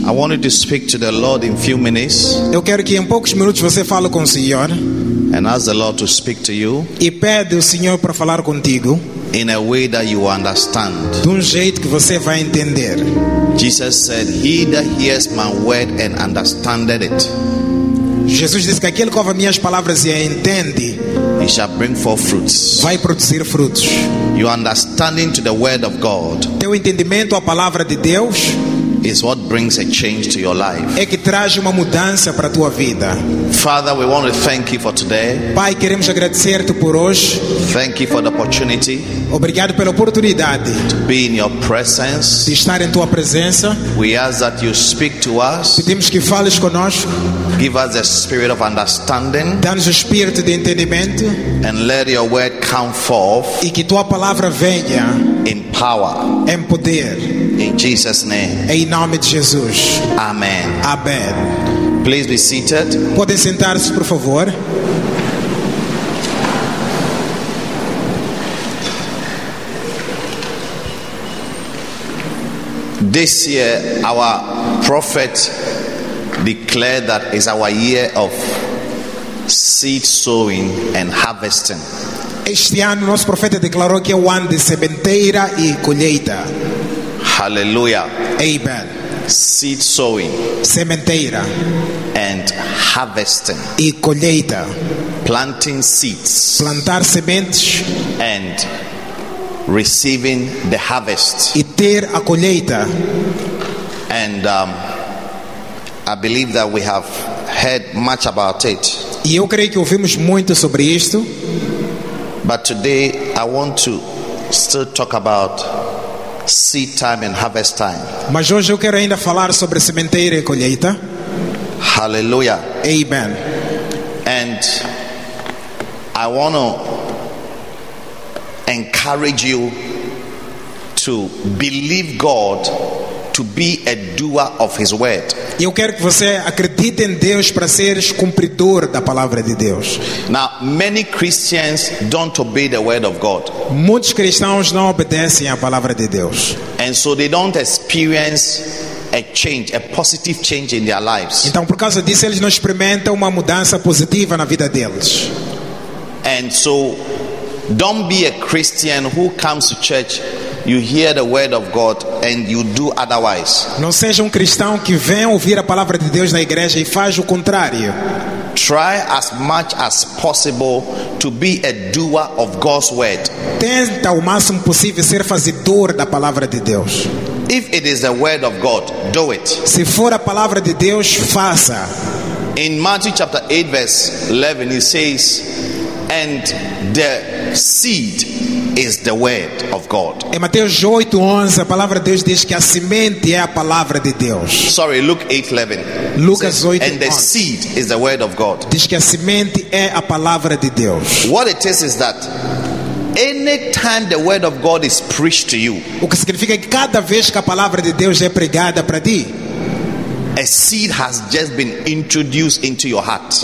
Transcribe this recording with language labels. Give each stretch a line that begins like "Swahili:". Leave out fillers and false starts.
English: I wanted to speak to the Lord in few minutes.
Portuguese: Eu quero que em poucos minutos você fale com o Senhor.
English: And ask the Lord to speak to you.
Portuguese: E pede o Senhor para falar contigo.
English: In a way that you understand.
Portuguese: De jeito que você vai entender.
English: Jesus said, "He that hears my word and understandeth it."
Portuguese: Jesus disse que aquele que ouve minhas palavras e a entende,
English: he shall bring forth fruits.
Portuguese: Vai produzir frutos.
English: Your understanding to the word of God,
Portuguese: teu entendimento à palavra de Deus,
English: is what brings a change to your life.
Portuguese: É que traz uma mudança para a tua vida.
English: Father, we want to thank you for today.
Portuguese: Pai, queremos agradecer-te por hoje.
English: Thank you for the opportunity.
Portuguese: Obrigado pela oportunidade.
English: To be in your presence.
Portuguese: De estar em tua presença.
English: We ask that you speak to us.
Portuguese: Pedimos que fales conosco.
English: Give us a spirit of understanding.
Portuguese: Dá-nos o espírito de entendimento.
English: And let your word come forth.
Portuguese: E que tua palavra venha.
English: In power.
Portuguese: Em poder.
English: In Jesus' name.
Portuguese: Em nome de Jesus.
English: Amen.
Portuguese: Amen.
English: Please be seated.
Portuguese: Podem sentar-se, por favor.
English: This year, our prophet declared that is our year of seed sowing and harvesting.
Portuguese: Este ano, nosso profeta declarou que é o ano de sementeira e colheita.
English: Hallelujah.
Portuguese: Amen.
English: Seed sowing.
Portuguese: Sementeira.
English: And harvesting.
Portuguese: E colheita.
English: Planting seeds.
Portuguese: Plantar sementes.
English: And receiving the harvest.
Portuguese: E ter a colheita.
English: And I believe that we have heard much about it.
Portuguese: E eu creio que ouvimos muito sobre isto.
English: But today I want to still talk about seed time and harvest time.
Portuguese: Mas hoje eu quero ainda falar sobre sementeira e colheita.
English: Hallelujah.
Portuguese: Amen.
English: And I want to encourage you to believe God to be a doer of his word.
Portuguese: Eu quero que você acredite em Deus para seres cumpridor da palavra de Deus.
English: Now, many Christians don't obey the word of God.
Portuguese: Muitos cristãos não obedecem à palavra de Deus.
English: And so they don't experience a change, a positive change in their lives.
Portuguese: Então, por causa disso, eles não experimentam uma mudança positiva na vida deles.
English: And so, don't be a Christian who comes to church. You hear the word of God and you do otherwise.
Portuguese: Não seja cristão que vem ouvir a palavra de Deus na igreja e faz o contrário.
English: Try as much as possible to be a doer of God's word.
Portuguese: Tenta o máximo possível ser fazedor da palavra de Deus.
English: If it is the word of God, do it.
Portuguese: Se for a palavra de Deus, faça.
English: In Matthew chapter 8 verse 11 it says, and the seed is the word of God.
Portuguese: Em Mateus 8:11, a palavra de Deus diz que a semente é a palavra de Deus.
English: Sorry, Luke 8:11.
Portuguese: Lucas 8:11.
English: And the seed is the word of God.
Portuguese: Diz que a semente é a palavra de Deus.
English: What it is that any time the word of God is preached to you,
Portuguese: o que significa que cada vez que a palavra de Deus é pregada para ti,
English: a seed has just been introduced into your heart.